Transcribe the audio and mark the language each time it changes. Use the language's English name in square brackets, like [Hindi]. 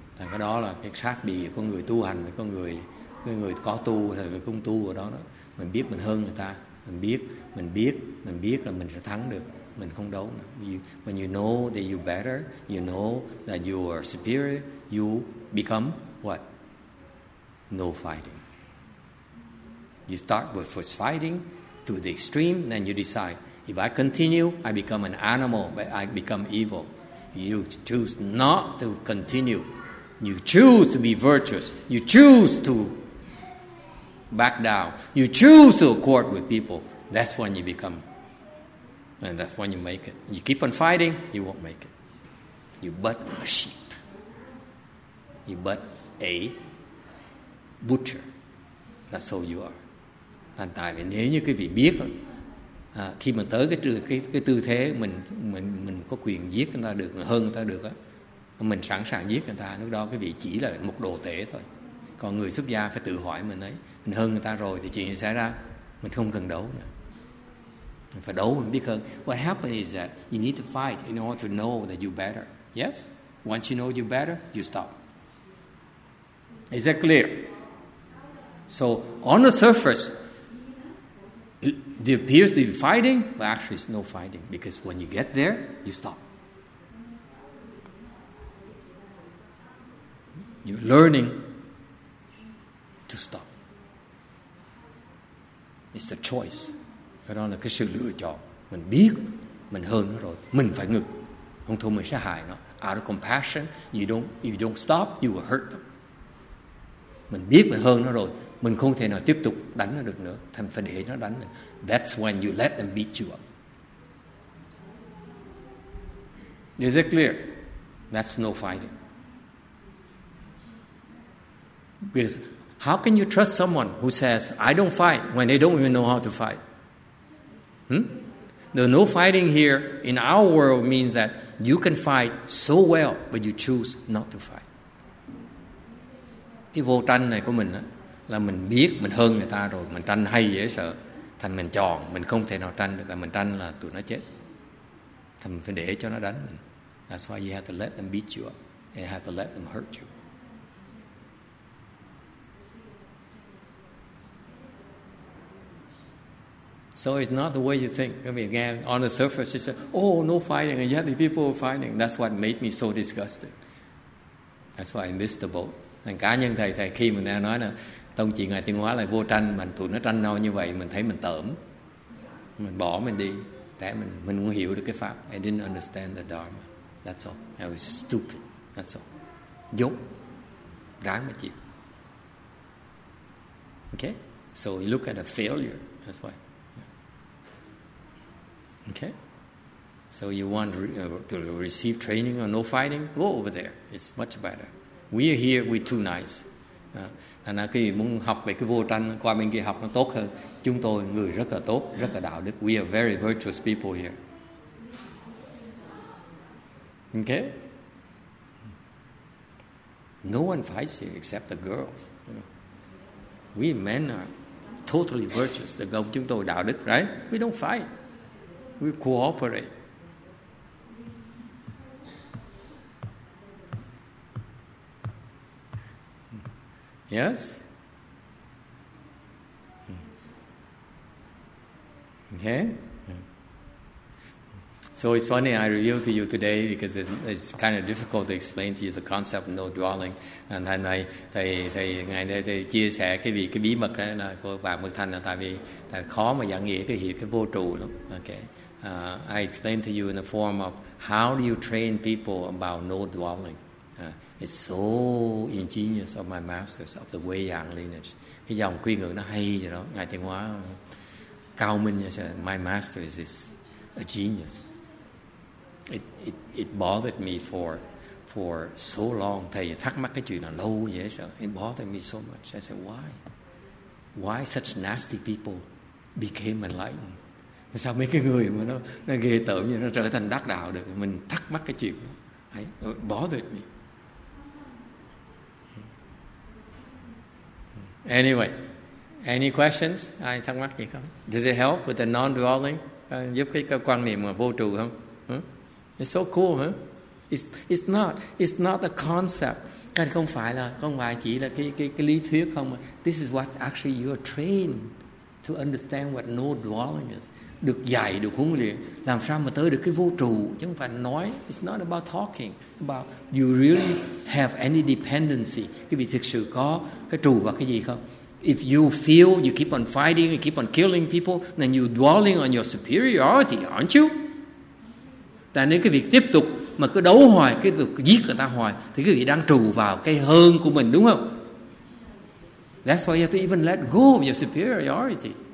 [Vietnamese] cái đó là cái khác biệt của người tu hành với con người có tu hay người không tu ở đó, đó mình biết mình hơn người ta, mình biết là mình sẽ thắng được, mình không đấu nữa. [English] When you know that you're better, you know that you are superior, you become what? No fighting. You start with first fighting to the extreme, then you decide. If I continue, I become an animal, but I become evil. You choose not to continue. You choose to be virtuous. You choose to back down. You choose to accord with people. That's when you become. And that's when you make it. You keep on fighting, you won't make it. You but a sheep. You but a butcher. That's who you are. [Vietnamese] Thành tại vì nếu như quý vị biết khi mà tới cái tư thế mình có quyền giết người ta được, hơn người ta được á, mình sẵn sàng giết người ta, lúc đó quý vị chỉ là một đồ tể thôi. Còn người xuất gia phải tự hỏi mình ấy, mình hơn người ta rồi thì chuyện gì xảy ra? Mình không cần đấu nữa. Mình phải đấu mình biết hơn. [English] What happens is that you need to fight in order to know that you're better. Yes? Once you know you're better, you stop. Is that clear? So on the surface, there appears to be fighting, but actually it's no fighting. Because when you get there, you stop. You're learning to stop. It's a choice. [Vietnamese] Cái đó là cái sự lựa chọn. Mình biết mình hơn nó rồi, mình phải ngừng. Không thôi mình sẽ hại nó. [English] Out of compassion, if you don't stop, you will hurt them. [Vietnamese] Mình biết mình hơn nó rồi, mình không thể nào tiếp tục đánh nó được nữa. Thành phải để nó đánh mình. [English] That's when you let them beat you up. Is it clear? That's no fighting. Because how can you trust someone who says, I don't fight, when they don't even know how to fight? The no fighting here in our world means that you can fight so well, but you choose not to fight. [Vietnamese] Cái vô tranh này của mình á, là mình biết mình hơn người ta rồi, mình tranh hay dễ sợ. Thành mình chọn, mình không thể nào tranh được, là mình tranh là tụi nó chết. Thành mình phải để cho nó đánh mình. [English] That's why you have to let them beat you up. You have to let them hurt you. So it's not the way you think. I mean, again, on the surface, you say, oh, no fighting, and yet the people are fighting. That's what made me so disgusted. That's why I missed the boat. [Vietnamese] Thành cá nhân thầy khi mình đang nói là tông chỉ ngài tiên hóa lại vô tranh mà tụi nó tranh nhau như vậy, mình thấy mình tởm, mình bỏ mình đi, tại mình không hiểu được cái pháp. [English] I didn't understand the dharma. That's all. I was stupid. That's all. [Vietnamese] Dốt, ráng mà chịu. [English] Okay. So you look at a failure. That's why. Okay. So you want to receive training on no fighting? Go over there. It's much better. We are here. We're too nice. [Vietnamese] Thành ra khi muốn học về cái vô tranh, qua bên kia học nó tốt hơn. Chúng tôi người rất là tốt, rất là đạo đức. [English] We are very virtuous people here. Okay? No one fights here except the girls. We men are totally virtuous. The girls [Vietnamese] chúng tôi đạo đức, right? [English] We don't fight. We cooperate. Yes? Okay? So it's funny, I revealed to you today because it's kind of difficult to explain to you the concept of no dwelling. [Vietnamese] And then thầy ngày nay thầy chia sẻ cái bí mật đó là của bà Mực Thanh, là tại vì khó mà dẫn nghĩa cái hiểu cái vô trụ lắm. [English] Okay. I explained to you in the form of how do you train people about no dwelling. It's so ingenious of my masters of the Weiyang lineage. [Vietnamese] Cái dòng quy ngữ nó hay vậy đó. Ngài Tiên Hóa cao minh như thế. [English] My master is a genius. It bothered me for so long. [Vietnamese] Thầy thắc mắc cái chuyện là lâu vậy sao? [English] It bothered me so much. I said, why? Why such nasty people became enlightened? [Vietnamese] Sao mấy cái người mà nó ghê tởm như nó trở thành đắc đạo được? Mình thắc mắc cái chuyện đó. [English] It bothered me. Anyway, any questions? [Vietnamese] Ai thắc mắc gì không? [English] Does it help with the non-dwelling? [Vietnamese] Giúp cái quan niệm vô trụ không? [English] It's so cool, huh? It's not a concept. [Vietnamese] Cái không phải là không phải chỉ là cái lý thuyết không. [English] This is what actually you are trained to understand what no dwelling is. [Vietnamese] Được dạy, được huấn luyện, làm sao mà tới được cái vô trụ, chứ không phải nói. [English] It's not about talking, it's about you really have any dependency. [Vietnamese] Cái vị thực sự có cái trụ và cái gì không? [English] If you feel you keep on fighting, you keep on killing people, then you dwelling on your superiority, aren't you? [Vietnamese] Tại nếu cái việc tiếp tục mà cứ đấu hoài, cứ tục giết người ta hoài, thì cái vị đang trụ vào cái hơn của mình, đúng không? [English] That's why you have to even let go of your superiority.